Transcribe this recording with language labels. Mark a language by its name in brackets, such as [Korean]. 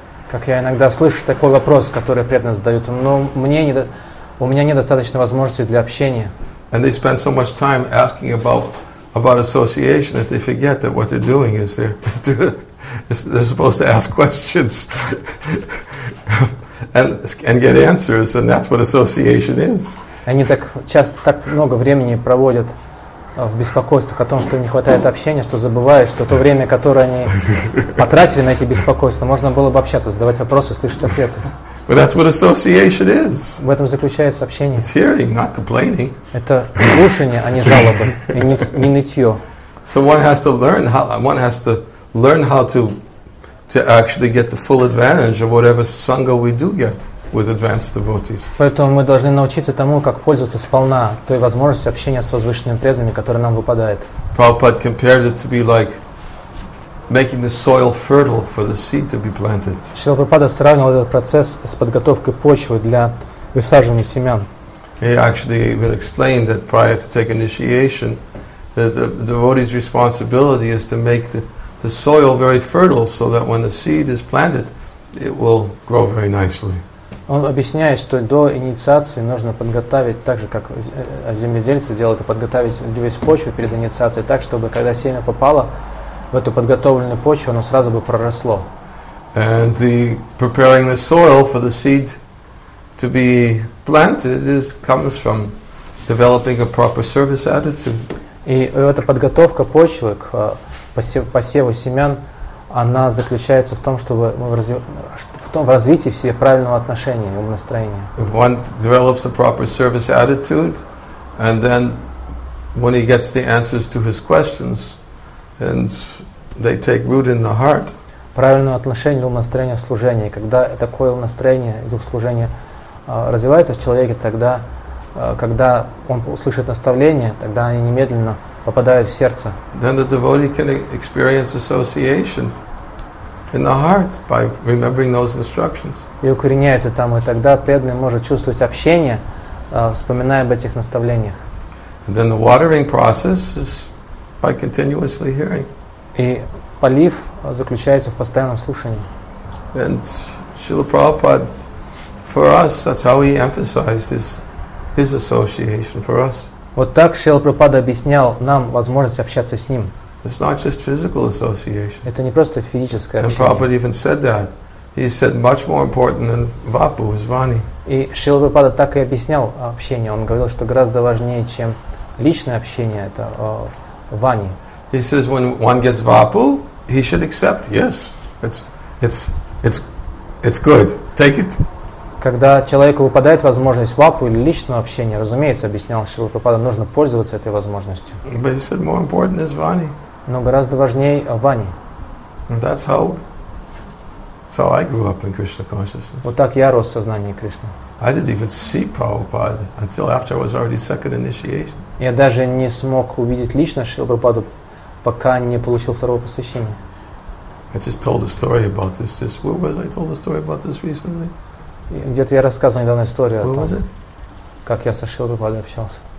[Russian] Как я иногда слышу такой вопрос, который преданные задают, но мне не у меня недостаточно возможности для общения. [English] And they spend so much time asking about association that they forget that what they're doing is they're supposed to ask questions and get answers, and that's what association is. [Russian] Они так часто так много времени проводят в беспокойствах о том, что им не хватает общения, что забывают, что то время, которое они потратили на эти беспокойства, можно было бы общаться, задавать вопросы, слышать ответы. [English] But that's what association is. [Russian] В этом заключается общение. [English] It's hearing, not complaining. [Russian] Это слушание, а не жалобы, и не нытье. [English] So one has to learn how to actually get the full advantage of whatever sangha we do get with advanced devotees. [Russian] Поэтому мы должны научиться тому, как пользоваться сполна той возможностью общения с возвышенными преданными, которая нам выпадает. [English] Prabhupada compared it to be like making the soil fertile for the seed to be planted. [Russian] Шрила Прабхупада сравнивал этот процесс с подготовкой почвы для высаживания семян. [English] He actually even explained that prior to take initiation, that the devotee's responsibility is to make the soil very fertile so that when the seed is planted, it will grow very nicely. [Russian] Он объясняет, что до инициации нужно подготовить так же, как земледельцы делают, подготовить весь почву перед инициацией так, чтобы когда семя попало в эту подготовленную почву, оно сразу бы проросло. [English] And the preparing the soil for the seed to be planted is comes from developing a proper service attitude. [Russian] И эта подготовка почвы к посеву семян, она заключается в том, чтобы мы в развитии в себе правильного отношения и настроения. [English] If one develops a proper service attitude, and then when he gets the answers to his questions, and they take root in the heart. [Russian] Правильное отношение, умонастроение, служение. Когда такое умонастроение и дух служения развивается в человеке, тогда, когда он услышит наставление, тогда они немедленно попадают в сердце. [English] Then the devotee can experience association in the heart by remembering those instructions. [Russian] И укореняется там, и тогда преданный может чувствовать общение, вспоминая об этих наставлениях. [English] And then the watering process is by continuously hearing. [Russian] И полив заключается в постоянном слушании. [English] And Srila Prabhupada, for us, that's how he emphasized his association for us. [Russian] Вот так Шрила Прабхупада объяснял нам возможность общаться с ним. [English] It's not just physical association. [Russian] Это не просто физическое общение. [English] And Prabhupada even said that. He said much more important than vapu is vani. [Russian] И Шрила Прабхупада так и объяснял общение. Он говорил, что гораздо важнее, чем личное общение, это Vani. [English] He says when one gets vapu, he should accept. Yes. It's good. Take it. [Russian] Когда человеку выпадает возможность вапу или личного общения, разумеется, объяснял Шрила Прабхупада, нужно пользоваться этой возможностью. [English] But he said more important is vani. [Russian] Но гораздо важнее вани. [English] That's how I grew up in Krishna consciousness. [Russian] Вот так я рос в сознании Кришны. [English] I didn't even see Prabhupada until after I was already second initiation. [Russian] Я даже не смог увидеть лично Шрилу Прабхупаду, пока не получил второго посвящения. [English] I just told a story about this. Just where was I told a story about this recently? [Russian] Где-то я рассказывал недавно историю о [English] where [Russian] том, [English] was it? [Russian] Как я со Шрилой Прабхупадой общался.